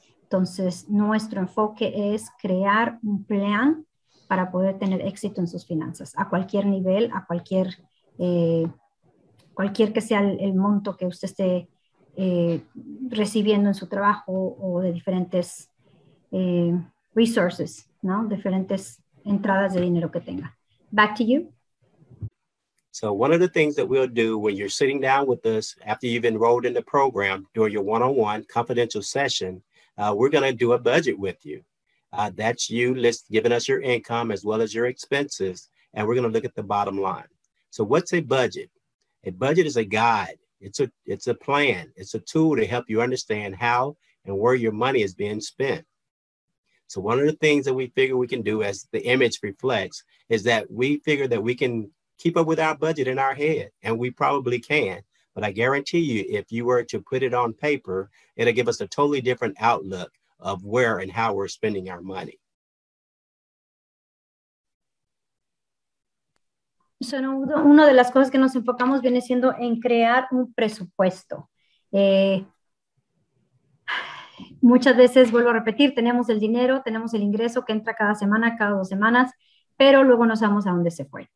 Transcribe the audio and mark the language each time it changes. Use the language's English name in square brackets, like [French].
[Spanish] Entonces, nuestro enfoque es crear un plan para poder tener éxito en sus finanzas, a cualquier nivel, a cualquier cualquier que sea el monto que usted esté recibiendo en su trabajo o de diferentes resources, ¿no? Diferentes entradas de dinero que tenga. [English] Back to you. So one of the things that we'll do when you're sitting down with us after you've enrolled in the program during your one-on-one confidential session, we're going to do a budget with you. That's you giving us your income as well as your expenses, and we're going to look at the bottom line. So what's a budget? A budget is a guide. It's a plan. It's a tool to help you understand how and where your money is being spent. So one of the things that we figure we can do, as the image reflects, is that we figure that we can keep up with our budget in our head, and we probably can. But I guarantee you, if you were to put it on paper, it'll give us a totally different outlook of where and how we're spending our money. [Spanish] Una de las cosas que nos enfocamos viene siendo en crear un presupuesto. Muchas veces, vuelvo a repetir, tenemos el dinero, tenemos el ingreso que entra cada semana, cada dos semanas, pero luego no sabemos a dónde se fue.